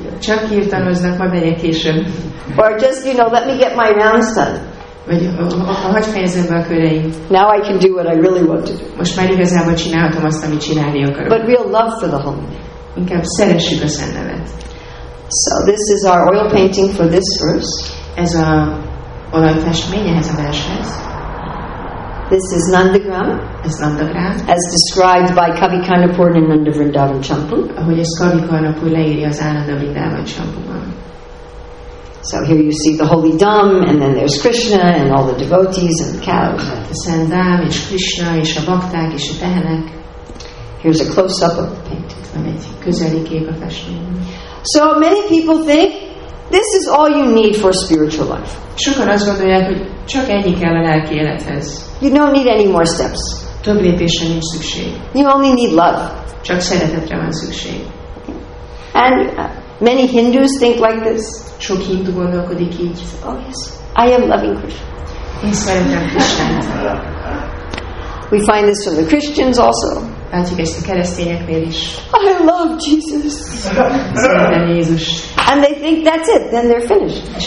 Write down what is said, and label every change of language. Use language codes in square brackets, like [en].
[hu] Csak kirtanoznak, majd megyek később. [en] Or just, you know, let me get my rounds done. [hu] Vagy hogy fejezem be a köreim. [en] Now I can do what I really want to do. [hu] Most már igazából csinálhatom azt, amit csinálni akarok. [en] But real love for the holy name. [hu] Inkább szeressük a szent nevet. [en] So, this is our oil painting for this verse. [hu] Ez a olajfestmény ehhez a vershez. [en] This is Nandagram. [hu] Ez Nandagram. [en] As described by Kavi Karnapur in Nanda Vrindavan Champu. [hu] Ahogy ezt Kavi Karnapur leírja az Ananda Vrindavan Champuban. [en] So here you see the holy dham, and then there's Krishna and all the devotees and the cows. [hu] A szent dham és Krishna és a bakták és a tehenek. [en] Here's a close-up of the painting. [hu] Van egy közeli kép a festményben. [en] So many people think this is all you need for spiritual life. [hu] Sokan azt gondolják, hogy csak ennyi kell a lelki élethez. [en] You don't need any more steps. [hu] Több lépésre nincs szükség. [en] You only need love. [hu] Csak szeretetre van szükség. [en] And many Hindus think like this. [hu] Sok hindu gondolkodik így. [en] Oh yes, I am loving Krishna. [hu] Én szeretem Krisztust. [en] We find this from the Christians also. [hu] Látjuk ezt a keresztényeknél is. [en] I love Jesus. [hu] Szeretem Jézus. [en] And they think that's it, then they're finished.